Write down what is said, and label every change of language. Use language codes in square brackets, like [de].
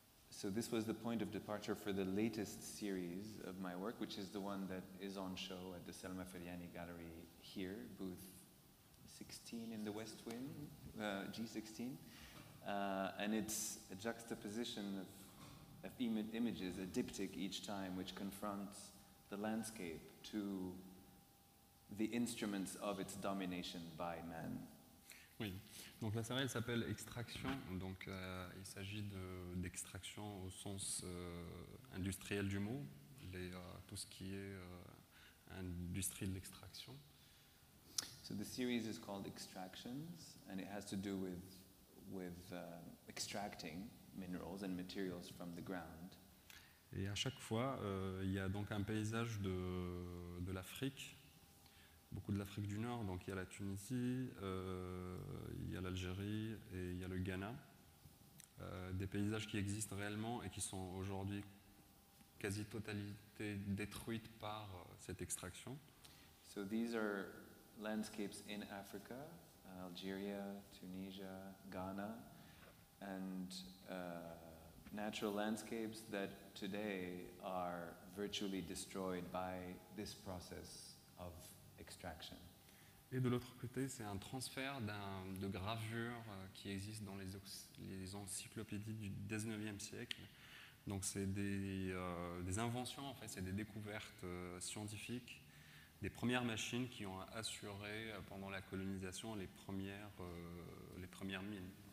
[en] So this was the point of departure for the latest series of my work, which is the one that is on show at the Selma Feriani Gallery here, booth 16 in the West Wing, G16. And it's a juxtaposition of images, a diptych each time, which confronts the landscape to the instruments of its domination by man. [fr] Oui, donc la série elle s'appelle Extraction, donc il s'agit d'extraction au sens industriel du mot, tout ce qui est industrie de l'extraction. [en] So the series is called Extractions, and it has to do with extracting minerals and materials from the ground. [fr] Et à chaque fois, il y a donc un paysage de l'Afrique, beaucoup de l'Afrique du Nord, donc il y a la Tunisie, il y a l'Algérie et il y a le Ghana. Des paysages qui existent réellement et qui sont aujourd'hui quasi totalité détruites par cette extraction. [en] So these are landscapes in Africa, Algeria, Tunisia, Ghana, and natural landscapes that today are virtually destroyed by this process of extraction. [fr] Et de l'autre côté, c'est un transfert de gravures qui existent dans les encyclopédies du 19e siècle. Donc c'est des inventions, en fait, c'est des découvertes scientifiques, des premières machines qui ont assuré pendant la colonisation les premières mines.